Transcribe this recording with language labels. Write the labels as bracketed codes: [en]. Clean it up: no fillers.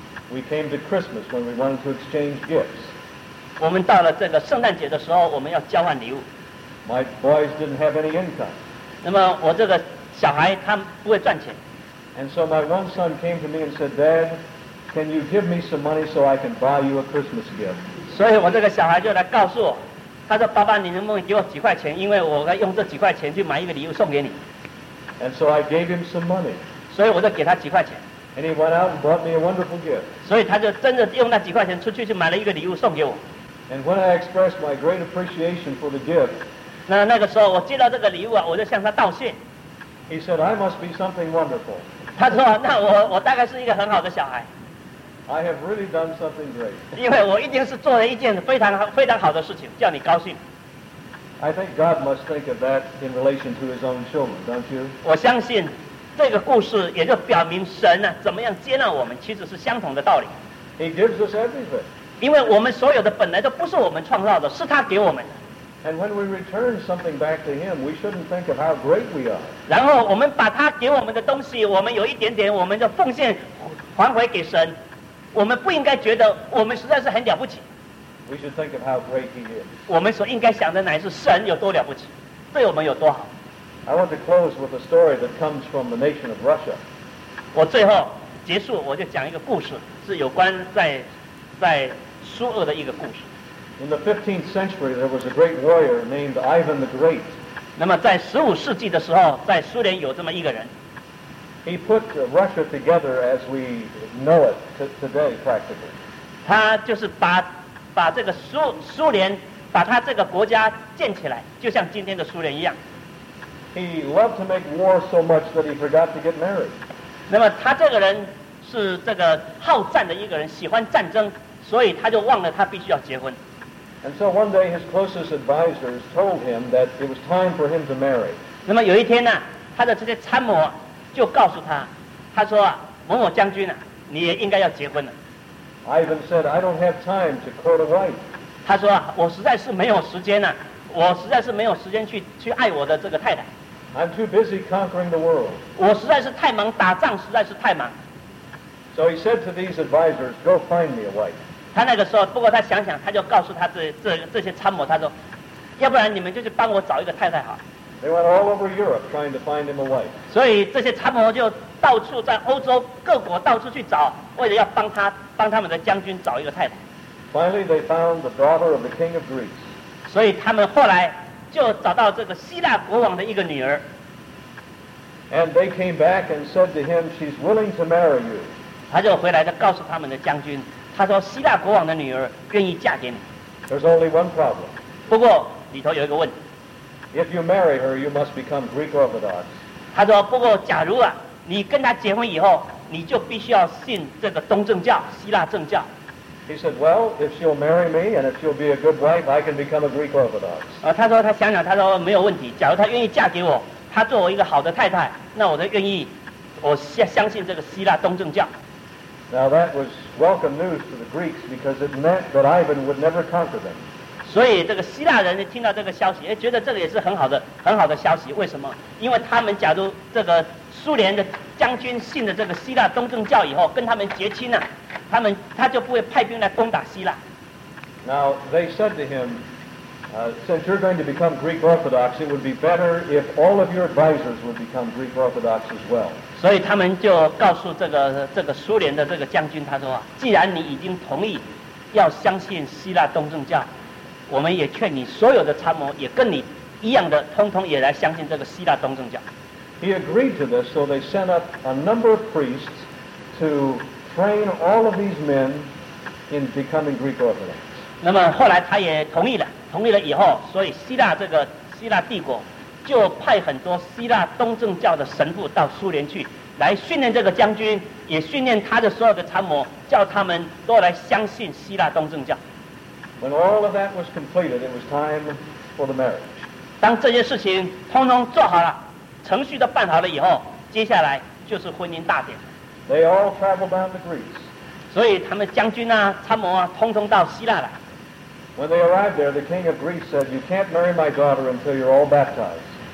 [en] We came to Christmas when we wanted to exchange gifts. [zh] 我们到了这个圣诞节的时候，我们要交换礼物。 [en] My boys didn't have any income. [zh] 那么我这个小孩他不会赚钱。 [en] And so my one son came to me and said, Dad, Can you give me some money so I can buy you a Christmas gift? [zh] 所以我这个小孩就来告诉我，他说：“爸爸，你能不能给我几块钱？因为我要用这几块钱去买一个礼物送给你。” [en] And so I gave him some money. [zh] 所以我就给他几块钱。 [en] And he went out and bought me a wonderful gift. [zh] 所以他就真的用那几块钱出去去买了一个礼物送给我。 [en] And when I expressed my great appreciation for the gift, [zh] 那个时候我接到这个礼物啊，我就向他道谢。 [en] He said, "I must be something wonderful." [zh] 他说：“那我大概是一个很好的小孩。” [en] I have really done something great. [zh] 因为我一定是做了一件非常非常好的事情，叫你高兴。 [en] I think God must think of that in relation to His own children, don't you? [zh] 我相信这个故事也就表明神呢、啊、怎么样接纳我们，其实是相同的道理。 [en] He gives us everything. [zh] 因为我们所有的本来都不是我们创造的，是他给我们的。 [en] And when we return something back to Him, we shouldn't think of how great we are. [zh] 然后我们把他给我们的东西，我们有一点点，我们就奉献还回给神。我们不应该觉得我们实在是很了不起。 [en] We should think of how great He is. [zh] 我们所应该想的乃是神有多了不起，对我们有多好。 [en] I want to close with a story that comes from the nation of Russia. [zh] 我最后结束，我就讲一个故事，是有关在苏俄的一个故事。 [en] In the 15th century, there was a great warrior named Ivan the Great. [zh] 那么在十五世纪的时候，在苏联有这么一个人。 [en] He put Russia together as we know it today, practically. [zh] 他就是把这个苏联，把他这个国家建起来，就像今天的苏联一样。 [en] He loved to make war so much that he forgot to get married. [zh] 那么他这个人是这个好战的一个人，喜欢战争，所以他就忘了他必须要结婚。 [en] And so one day his closest advisors told him that it was time for him to marry. [zh] 那么有一天呢、啊，他的这些参谋。就告诉他，他说、啊、某某将军啊，你也应该要结婚了。 [en] Ivan said, "I don't have time to court a wife." [zh] 他说、啊、我实在是没有时间了、啊，我实在是没有时间去爱我的这个太太。 [en] I'm too busy conquering the world. [zh] 我实在是太忙，打仗实在是太忙。 [en] So he said to these advisors, "Go find me a wife." [zh] 他那个时候，不过他想想，他就告诉他这些参谋，他说，要不然你们就去帮我找一个太太好。 [en] They went all over Europe trying to find him a wife. [zh] 所以这些参谋就到处在欧洲各国到处去找，为了要帮他们的将军找一个太太。 [en] Finally, they found the daughter of the king of Greece. [zh] 所以他们后来就找到这个希腊国王的一个女儿。 [en] And they came back and said to him, "She's willing to marry you." [zh] 他就回来就告诉他们的将军，他说希腊国王的女儿愿意嫁给你。 [en] There's only one problem. [zh] 不过里头有一个问题。 [en] If you marry her, you must become Greek Orthodox. [zh] 他说：“不过，假如啊，你跟他结婚以后，你就必须要信这个东正教、希腊正教。” [en] He said, "Well, if she'll marry me and if she'll be a good wife, I can become a Greek Orthodox." [zh] 他说他想想，他说没有问题。假如她愿意嫁给我，她做我一个好的太太，那我就愿意，我相信这个希腊东正教。 [en] Now that was welcome news to the Greeks because it meant that Ivan would never conquer them. [zh] 所以这个希腊人听到这个消息，哎，觉得这个也是很好的消息。为什么？因为他们假如这个苏联的将军信了这个希腊东正教以后，跟他们结亲了、啊，他就不会派兵来攻打希腊。 [en] Now they said to him, "Since you're going to become Greek Orthodox, it would be better if all of your advisors would become Greek Orthodox as well." [zh] 所以他们就告诉这个苏联的这个将军，他说、啊，既然你已经同意要相信希腊东正教。我们也劝你所有的参谋也跟你一样的通通也来相信这个希腊东正教。 [en] He agreed to this, so they sent up a number of priests to train all of these men in becoming Greek Orthodox. [zh] 那么后来他也同意了以后，所以希腊帝国就派很多希腊东正教的神父到苏联去来训练这个将军，也训练他的所有的参谋，叫他们都来相信希腊东正教。 [en] When all of that was completed, it was time for the marriage. [zh] 当这些事情通通做好了，程序都办好了以后，接下来就是婚姻大典。 [en] They all traveled down to Greece. [zh] 所以他们将军啊、参谋啊，通通到希腊来。 [en] When they arrived there, the king of Greece said, "You can't marry my daughter until you're all baptized."